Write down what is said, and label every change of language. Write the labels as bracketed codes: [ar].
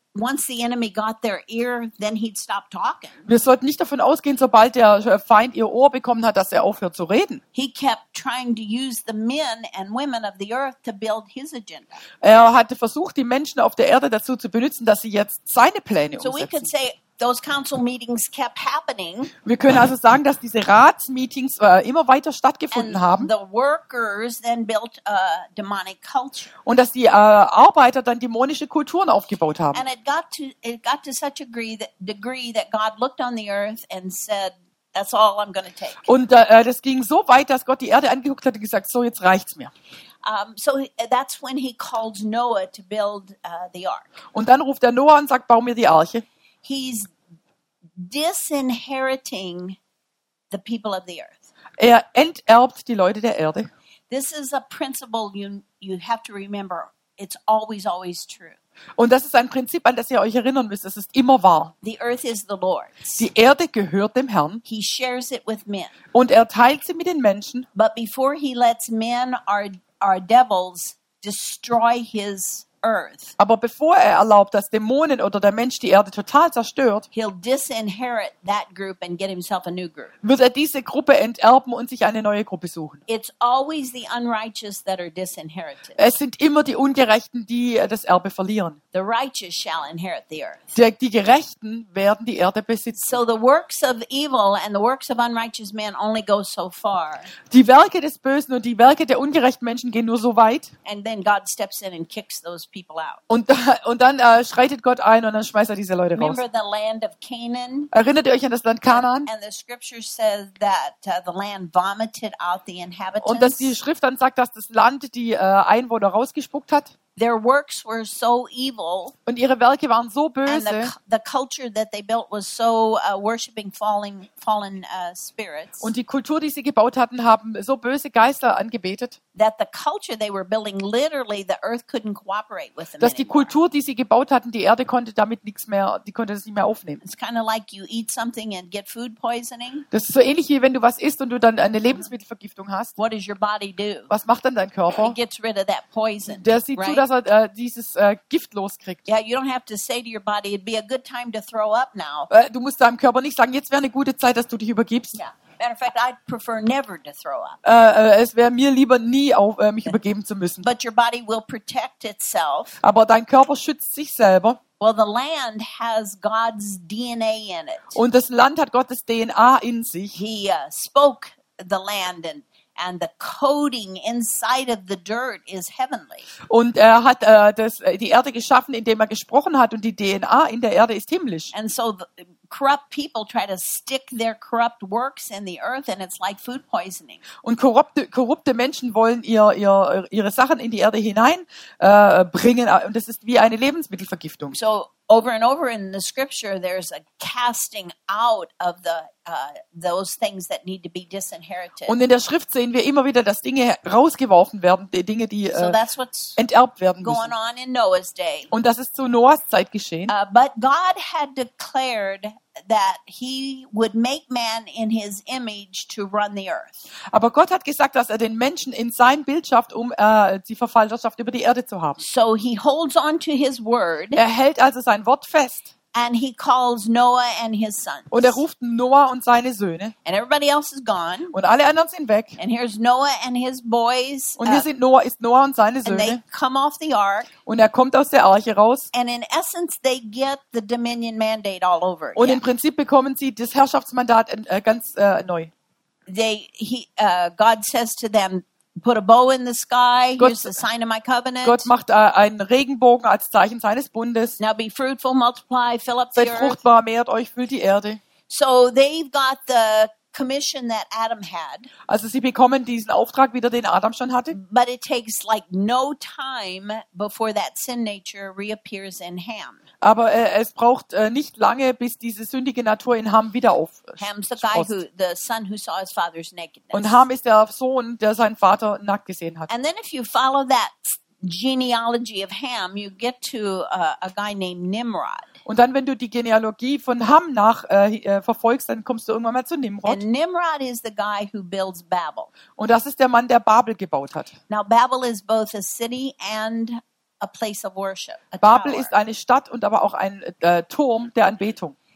[en] once the enemy got their ear, then he'd stop talking. [de] Wir sollten nicht davon ausgehen, sobald der Feind ihr Ohr bekommen hat, dass er aufhört zu reden. [en] He kept trying to use the men and women of the earth to build his agenda. [de] Er hatte versucht, die Menschen auf der Erde dazu zu benutzen, dass sie jetzt seine Pläne umsetzen. [en] So we could say, those council meetings kept happening. [de] Wir können also sagen, dass diese Ratsmeetings immer weiter stattgefunden haben. [en] The workers then built a demonic culture. [de] Und dass die Arbeiter dann dämonische Kulturen aufgebaut haben. [en] And it got to such a degree that God looked on the earth and said, that's all I'm going to take. [de] Und das ging so weit, dass Gott die Erde angeguckt hat und gesagt, so jetzt reicht's mir. [en] So that's when he called Noah to build the ark. [de] Und dann ruft er Noah und sagt, bau mir die Arche. [en] He's disinheriting the people of the earth. [de] Er enterbt die Leute der Erde. [en] This is a principle you have to remember. It's always, always true. [de] Und das ist ein Prinzip, an das ihr euch erinnern müsst. Es ist immer wahr. [en] The earth is the Lord's. [de] Die Erde gehört dem Herrn. [en] He shares it with men. [de] Und er teilt sie mit den Menschen. [en] But before he lets men, our devils, destroy his earth. [de] Aber bevor er erlaubt, dass Dämonen oder der Mensch die Erde total zerstört, [en] he'll disinherit that group and get himself a new group. [de] Wird er diese Gruppe enterben und sich eine neue Gruppe suchen. [en] It's always the unrighteous that are disinherited. [de] Es sind immer die Ungerechten, die das Erbe verlieren. [en] The righteous shall inherit the earth. [de] Die Gerechten werden die Erde besitzen. [en] So the works of evil and the works of unrighteous men only go so far. [de] Die Werke des Bösen und die Werke der ungerechten Menschen gehen nur so weit. [en] And then God steps in and kicks those people out. [de] Und dann schreitet Gott ein und dann schmeißt er diese Leute raus. [en] Remember the land of Canaan? [de] Erinnert ihr euch an das Land Kanaan? [en] And the scripture says that the land vomited out the inhabitants. [de] Und dass die Schrift dann sagt, dass das Land die Einwohner rausgespuckt hat. [en] Their works were so evil. [de] Und ihre Werke waren so böse. [en] And the culture that they built was so worshiping fallen spirits. [de] Und die Kultur, die sie gebaut hatten, haben so böse Geister angebetet. [en] That the culture they were building, literally the earth couldn't cooperate with them. [de] Dass die Kultur, die sie gebaut hatten, die Erde konnte damit nichts mehr, die konnte das nicht mehr aufnehmen. [en] It's kind of like you eat something and get food poisoning. [de] Das ist so ähnlich wie wenn du was isst und du dann eine Lebensmittelvergiftung hast. [en] What does your body do? [de] Was macht dann dein Körper? [en] It gets rid of that poison. [de] Der sieht zu, dass er dieses Gift loskriegt. [en] Yeah, you don't have to say to your body, it'd be a good time to throw up now. [de] Du musst deinem Körper nicht sagen, jetzt wäre eine gute Zeit, dass du dich übergibst. [en] Yeah. Matter of fact, I'd prefer never to throw up. [de] Es wäre mir lieber nie auf mich übergeben zu müssen. [en] But your body will protect itself. [de] Aber dein Körper schützt sich selber. [en] Well, the land has God's DNA in it. [de] Und das Land hat Gottes DNA in sich. [en] He spoke the land and the coating inside of the dirt is heavenly. [de] Und er hat die Erde geschaffen, indem er gesprochen hat, und die DNA in der Erde ist himmlisch. [en] And so corrupt people try to stick their corrupt works in the earth and it's like food poisoning. [de] Und korrupte Menschen wollen ihre Sachen in die Erde hinein bringen und das ist wie eine Lebensmittelvergiftung. [en] So over and over in the scripture there's a casting out of the those things that need to be disinherited. [de] Und in der Schrift sehen wir immer wieder, dass Dinge rausgeworfen werden, Dinge, die enterbt werden müssen. [en] Going on in Noah's day. [de] Und das ist zu Noahs Zeit geschehen. [en] But God had declared that he would make man in his image to run the earth. [de] Aber Gott hat gesagt, dass den Menschen in sein Bild schafft, die Verwalterschaft über die Erde zu haben. [en] So he holds on to his word. [de] Er hält also sein Wort fest. [en] And he calls Noah and his sons. [de] Und er ruft Noah und seine Söhne. [en] And everybody else is gone. [de] Und alle anderen sind weg. [en] And here's Noah and his boys. [de] Und hier ist Noah und seine Söhne. [en] And they come off the ark. [de] Und er kommt aus der Arche raus. [en] And in essence they get the dominion mandate all over. [de] Und im Prinzip bekommen sie das Herrschaftsmandat ganz neu. [en] God says to them, put a bow in the sky. Here's the sign of my covenant. [de] Gott macht einen Regenbogen als Zeichen seines Bundes. [en] Now be fruitful, multiply, fill up the earth. [de] Seid fruchtbar, mehrt euch, füllt die Erde. [en] So they've got the commission that Adam had. [de] Also sie bekommen diesen Auftrag wieder, den Adam schon hatte. [en] But it takes like no time before that sin nature reappears in Ham. [de] Aber es braucht nicht lange, bis diese sündige Natur in Ham wieder aufsprost. [en] Ham's the guy who, the son who saw his father's nakedness. [de] Und Ham ist der Sohn, der seinen Vater nackt gesehen hat. [en] And then if you follow that genealogy of Ham, you get to a guy named Nimrod. [de] Und dann, wenn du die Genealogie von Ham nach verfolgst, dann kommst du irgendwann mal zu Nimrod. [en] And Nimrod is the guy who builds Babel. [de] Und das ist der Mann, der Babel gebaut hat. [en] Now Babel is both a city and a place of worship, a [de] Babel ist eine Stadt und aber auch ein Turm der Anbetung.